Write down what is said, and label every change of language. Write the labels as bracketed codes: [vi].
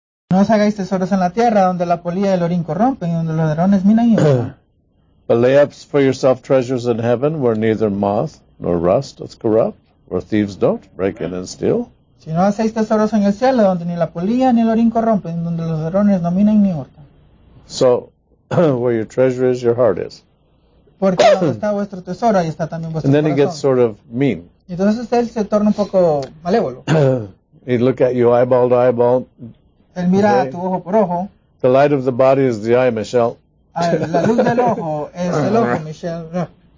[es] No os hagáis tesoros en la tierra donde la polilla y el orín corrompen y donde los ladrones minan y roban. [en] But lay up for yourself treasures in heaven where neither moth nor rust doth corrupt, where thieves don't break in and steal. [es] Si no hacéis tesoros en el cielo, donde ni la polilla ni el orín corrompen, donde los ladrones no minan ni hurtan. [en] So, where your treasure is, your heart is. [es] Porque donde está vuestro tesoro, ahí está también vuestro [en] and [es] corazón. [en] And then he gets sort of mean. [es] Y entonces él se torna un poco malévolo. [en] He look at you eyeball to eyeball. [es] Él mira okay. A tu ojo por ojo. [en] The light of the body is the eye, Michelle. [es] La luz del ojo es el ojo, Michelle.